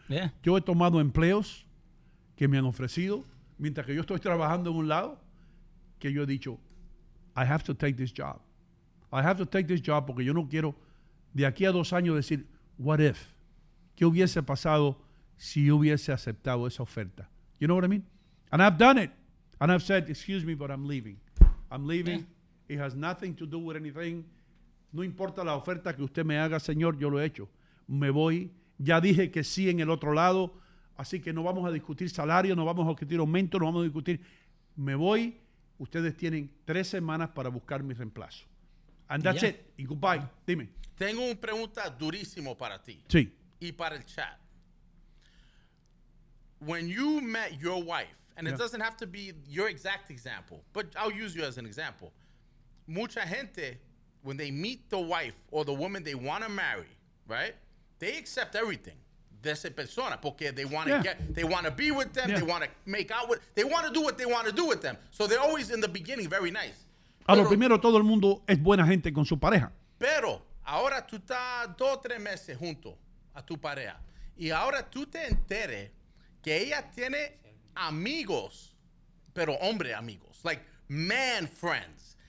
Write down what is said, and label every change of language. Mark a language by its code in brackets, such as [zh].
[es] Yeah. Yo he tomado empleos que me han ofrecido mientras que yo estoy trabajando en un lado que yo he dicho, [en] I have to take this job. I have to take this job [es] porque yo no quiero de aquí a 2 años decir, [en] what if? [es] ¿Qué hubiese pasado si yo hubiese aceptado esa oferta? [en] You know what I mean? And I've done it. And I've said, excuse me, but I'm leaving. I'm leaving. Yeah. It has nothing to do with anything. [es] No importa la oferta que usted me haga, señor, yo lo he hecho. Me voy. Ya dije que sí en el otro lado. Así que no vamos a discutir salario, no vamos a discutir aumento, no vamos a discutir. Me voy. Ustedes tienen 3 semanas para buscar mi reemplazo. [en] And that's it. [es] Y goodbye. Dime. Tengo una pregunta durísima para ti. Sí. Y para el chat. [en] When you met your wife, and it doesn't have to be your exact example, but I'll use you as an example. [es] Mucha gente, [en] when they meet the wife or the woman they want to marry, right? They accept everything. [es] De esa persona, porque [en] they want to get, they want to be with them, they want to make out with, they want to do what they want to do with them. So they're always in the beginning very nice. [es] A lo primero, todo el mundo es buena gente con su pareja. Pero ahora tú estás 2 o 3 meses junto a tu pareja. Y ahora tú te enteres que ella tiene amigos, pero hombre amigos, [en] like man friends.